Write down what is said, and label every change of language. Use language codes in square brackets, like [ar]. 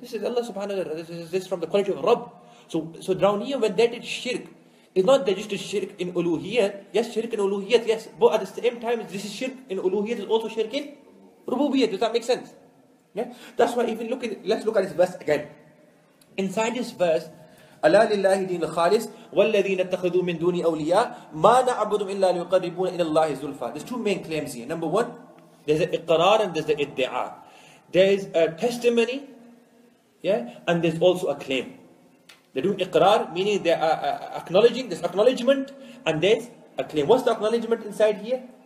[en] This is Allah subhanahu wa ta'ala. This is from the quality of Rabb. So down here, when they did shirk, it's not that just a shirk in uluhiyat. Yes, shirk in uluhiyat, yes. But at the same time, this is shirk in uluhiyat, is also shirk in rububiyat. Does that make sense? Yeah. That's why even let's look at this verse again. Inside this verse, [ar] ألا لله دين الخالص والذين اتخذوا من دون أولياء ما نعبدهم إلا ليقربون إلى الله زلفى. [en] There's two main claims here. Number one, there's an iqrar and there's an iddia. There's a testimony, yeah, and there's also a claim. They're doing iqrar, meaning they are acknowledging, there's acknowledgement and there's a claim. What's the acknowledgement inside here?